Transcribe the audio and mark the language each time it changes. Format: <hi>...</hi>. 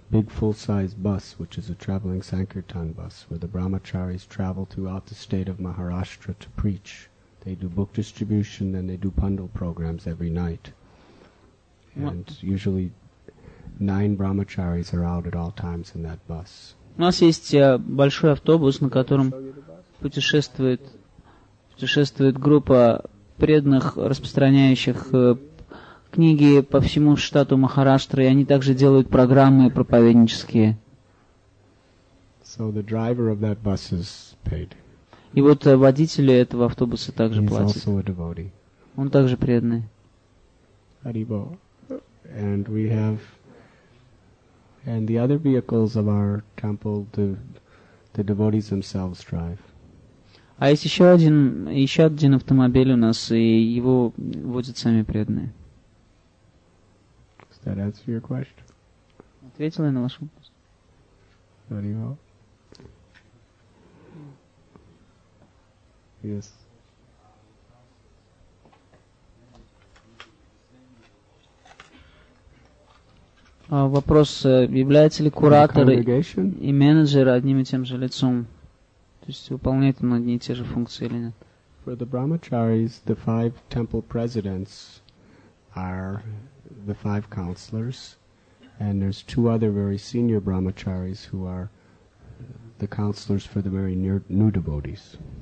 <en>big full-size bus, which is a traveling Sankirtan bus, where the brahmacharis travel throughout the state of Maharashtra to preach. They do book distribution and they do pandal programs every night. And usually 9 brahmacharis are out at all times in that bus.</en> <ru>У нас есть большой автобус, на котором путешествует группа преданных, распространяющих книги по всему штату Махараштра, и они также делают программы проповеднические.</ru> <en>So the driver of that bus is paid.</en> <ru>И вот водителю этого автобуса также</ru> <en>He's</en> <ru>платят.</ru> <en>Also a devotee.</en> <ru>Он также преданный. Haribo.</ru> <en>And we have And the other vehicles of our temple, the devotees themselves drive.</en> <ru>А есть еще один автомобиль у нас, и его водят сами преданные.</ru> <en>Does that answer your question?</en> <ru>Ответил я на ваш вопрос. Арива.</ru> <en>Yes.</en> <ru>Вопрос, является ли куратор и менеджер одним и тем же лицом? То есть выполняет он одни и те же функции или нет?</ru> <en>For the brahmacharis, the 5 temple presidents are the 5 counselors, and there's 2 other very senior brahmacharis who are the counselors for the very new devotees.</en>